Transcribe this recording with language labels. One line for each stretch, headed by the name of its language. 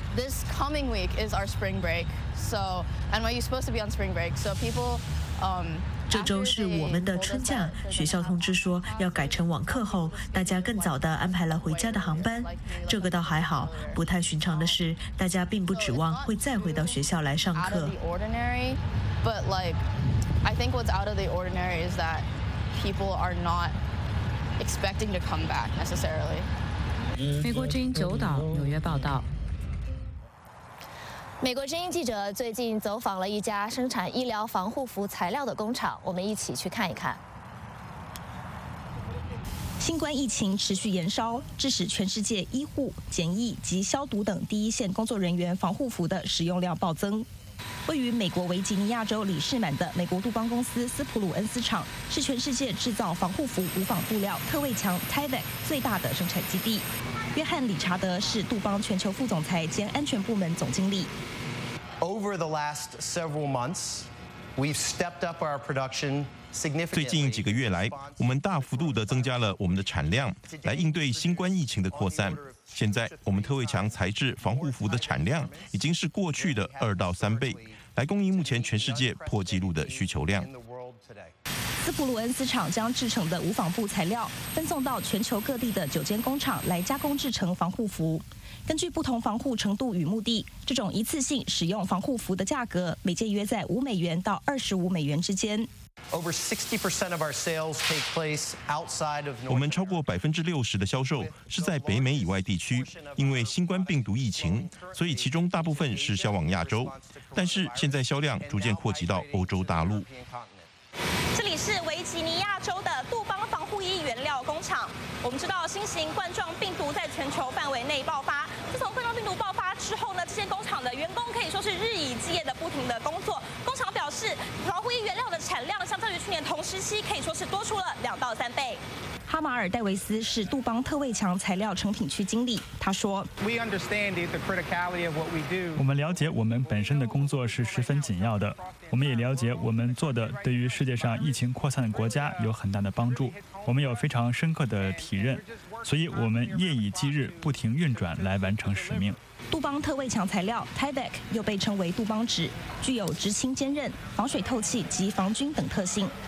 English: This coming week is our spring break. So NYU is supposed to be on spring break. So people,
Chinese: 这周是我们的春假，学校通知说要改成网课后，大家更早地安排了回家的航班。这个倒还好，不太寻常的是，大家并不指望会再回到学校来上课。
English: But like, I think what's out of the ordinary is that people are not expecting to come back necessarily.
Chinese: 美国之音九岛纽约报道。美国之音记者最近走访了一家生产医疗防护服材料的工厂，我们一起去看一看。新冠疫情持续延烧，致使全世界医护、检疫及消毒等第一线工作人员防护服的使用量暴增。位于美国维吉尼亚州里士满的美国杜邦公司斯普鲁恩斯厂，是全世界制造防护服无纺布料特卫强 Tyvek 最大的生产基地。约翰·理查德是杜邦全球副总裁兼安全部门总经理。
English: Over the last several months, we've stepped up our production significantly.
Chinese: 最近几个月来，我们大幅度地增加了我们的产量，来应对新冠疫情的扩散。现在，我们特卫强材质防护服的产量已经是过去的二到三倍，来供应目前全世界破纪录的需求量。斯普鲁恩斯厂将制成的无纺布材料分送到全球各地的九间工厂来加工制成防护服。根据不同防护程度与目的，这种一次性使用防护服的价格每件约在$5到$25之间。
English: Over 60% of our sales take place outside of.
Chinese: 我们超过60%的销售是在北美以外地区，因为新冠病毒疫情，所以其中大部分是销往亚洲，但是现在销量逐渐扩及到欧洲大陆。这里是维吉尼亚州的杜邦防护衣原料工厂。我们知道新型冠状病毒在全球范围内爆发，自从冠状病毒爆发之后呢，这些工厂的员工可以说是日以继夜的不停的工作。工厂表示，防护衣原料的产量相较于去年同时期可以说是多出了2到3倍。哈马尔·戴维斯是杜邦特卫强材料成品区经理，他说：
English: We understand the criticality of what we do.
Chinese: 我们了解我们本身的工作是十分紧要的，我们也了解我们做的对于世界上疫情扩散的国家有很大的帮助，我们有非常深刻的体认，所以我们夜以继日不停运转来完成使命。杜邦特卫强材料 Tyvek 又被称为杜邦纸，具有直轻坚韧、防水透气及防菌等特性。